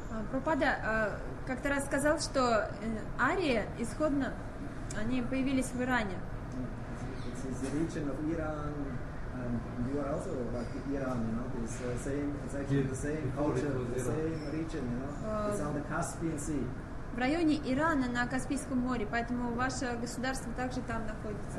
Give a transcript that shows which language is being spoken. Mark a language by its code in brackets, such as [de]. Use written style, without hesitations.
[ru] Prabhupada как-то раз сказал, что Ария исходно, они появились в Иране. [en] It's the region of Iran, and you are also like Iran, you know, it's the same, it's actually the same culture, the same region, you know, it's on the Caspian Sea. [ru] В районе Ирана на Каспийском море, поэтому ваше государство также там находится,